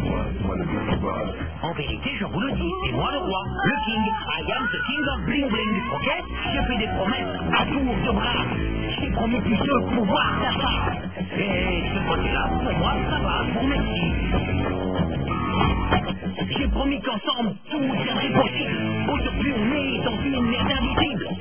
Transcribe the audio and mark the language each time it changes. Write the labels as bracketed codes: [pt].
[fr] En vérité, je vous le dis, c'est moi le roi, le king. [en] I am the king of bling bling, ok? [fr] Je fais des promesses à tour de bras. J'ai promis plus de pouvoir d'achat. Et ce côté-là, pour moi, ça va, je vous remercie. J'ai promis qu'ensemble, tout deviendrait possible. Aujourd'hui, on est dans une merde invisible.